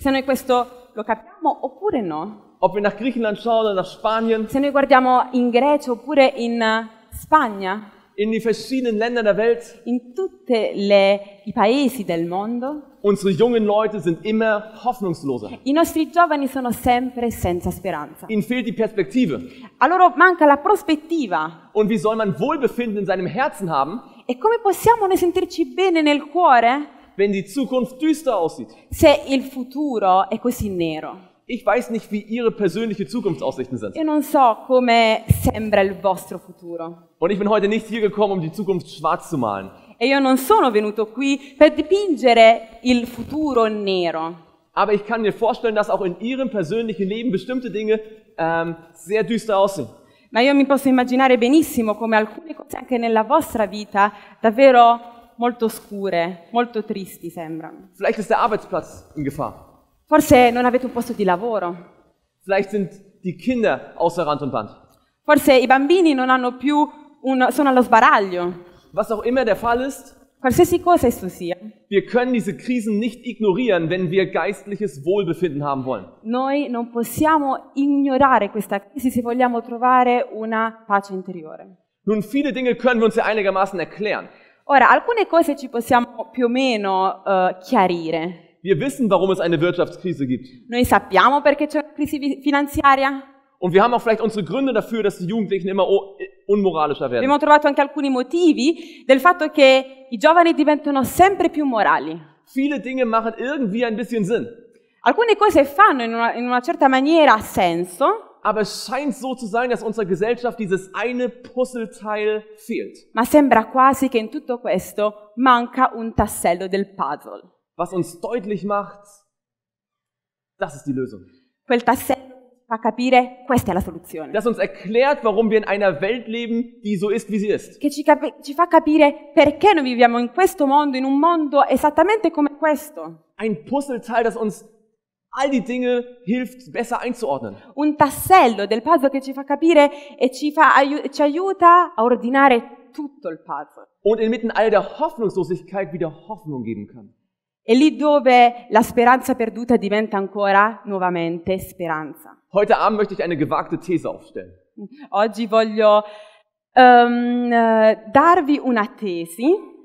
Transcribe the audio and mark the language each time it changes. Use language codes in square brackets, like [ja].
[it] Se noi questo lo capiamo oppure no. [de] Ob wir nach Griechenland schauen oder nach Spanien. [it] Se noi guardiamo in Grecia oppure in Spagna. [de] In die verschiedenen Länder der Welt. [it] In tutte i paesi del mondo. [de] Unsere jungen Leute sind immer hoffnungsloser. [it] I nostri giovani sono sempre senza speranza. [de] Ihnen fehlt die Perspektive. [it] A loro manca la prospettiva. [de] Und wie soll man Wohlbefinden in seinem Herzen haben? [it] E come possiamo noi sentirci bene nel cuore? [de] Wenn die Zukunft düster aussieht. [it] Se il futuro è così nero. [de] Ich weiß nicht, wie Ihre persönlichen Zukunftsaussichten sind. [it] Io non so come sembra il vostro futuro. [de] Und ich bin heute nicht hier gekommen, um die Zukunft schwarz zu malen. [it] E io non sono venuto qui per dipingere il futuro nero. [de] Aber ich kann mir vorstellen, dass auch in Ihrem persönlichen Leben bestimmte Dinge sehr düster aussehen. [it] Ma io mi posso immaginare benissimo come alcune cose anche nella vostra vita davvero molto scure, molto tristi sembrano. [de] Vielleicht ist der Arbeitsplatz in Gefahr. [it] Forse non avete un posto di lavoro. [de] Vielleicht sind die Kinder außer Rand und Band. [it] Forse i bambini non hanno più sono allo sbaraglio. [de] Was auch immer der Fall ist, [it] Qualsiasi cosa esso sia. [de] Wir können diese Krisen nicht ignorieren, wenn wir geistliches Wohlbefinden haben wollen. [it] Noi non possiamo ignorare questa crisi se vogliamo trovare una pace interiore. [de] Nun, viele Dinge können wir uns ja einigermaßen erklären. [it] Ora, alcune cose ci possiamo più o meno chiarire. [de] Wir wissen, warum es eine Wirtschaftskrise gibt. [it] Noi sappiamo perché c'è una crisi finanziaria. [de] Und wir haben auch vielleicht unsere Gründe dafür, dass die Jugendlichen immer unmoralischer werden. [it] Abbiamo trovato anche alcuni motivi del fatto che i giovani diventano sempre più morali. [de] Viele Dinge machen irgendwie ein bisschen Sinn. [it] Alcune cose fanno in una certa maniera senso. [de] Aber es scheint so zu sein, dass unserer Gesellschaft dieses eine Puzzleteil fehlt. [it] Ma sembra quasi che in tutto questo manca un tassello del puzzle. [de] Was uns deutlich macht, das ist die Lösung. [it] Quel tassello fa capire questa è la soluzione. [de] Das uns erklärt, warum wir in einer Welt leben, die so ist, wie sie ist. [it] Che ci fa capire perché noi viviamo in questo mondo, in un mondo esattamente come questo. [de] Ein Puzzleteil, das uns all die Dinge hilft, besser einzuordnen. [it] Un tassello del puzzle che ci fa capire e ci aiuta a ordinare tutto il puzzle. [de] Und inmitten all der Hoffnungslosigkeit wieder Hoffnung geben kann. [it] E lì dove la speranza perduta diventa ancora nuovamente speranza. [de] Heute Abend möchte ich eine gewagte These aufstellen. [it] Oggi voglio darvi una tesi.